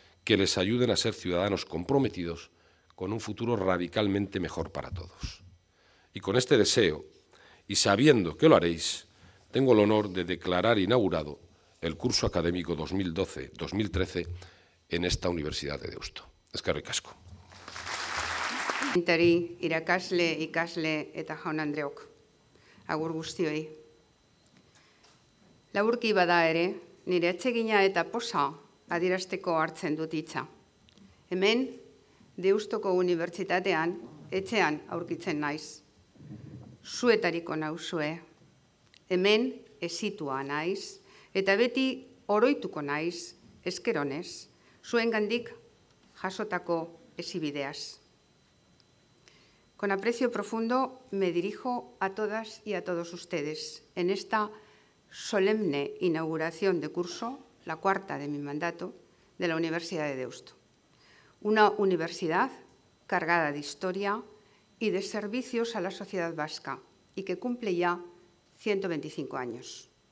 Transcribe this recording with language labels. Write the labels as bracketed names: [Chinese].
[Spanish] que les ayuden a ser ciudadanos comprometidos con un futuro radicalmente mejor para todos. Y con este deseo, y sabiendo que lo haréis, tengo el honor de declarar inaugurado el curso académico 2012-2013 en esta Universidad de Deusto. [Basque] Eskerrik asko. Entari, irakasle, ikasle eta jaun andreok. Agur guztioi. Laburki bada ere, nire atsegina eta posa adierazteko hartzen dut hitza. Hemen, Deustoko Unibertsitatean, etxean aurkitzen naiz. Zuetariko nauzue. Hemen, ezitua naiz. Eta beti, oroituko naiz, eskeronez, zuengandik jasotako ezibideaz. [Spanish] Con aprecio profundo me dirijo a todas y a todos ustedes en esta solemne inauguración de curso, la cuarta de mi mandato, de la Universidad de Deusto. Una universidad cargada de historia y de servicios a la sociedad vasca y que cumple ya 125 años.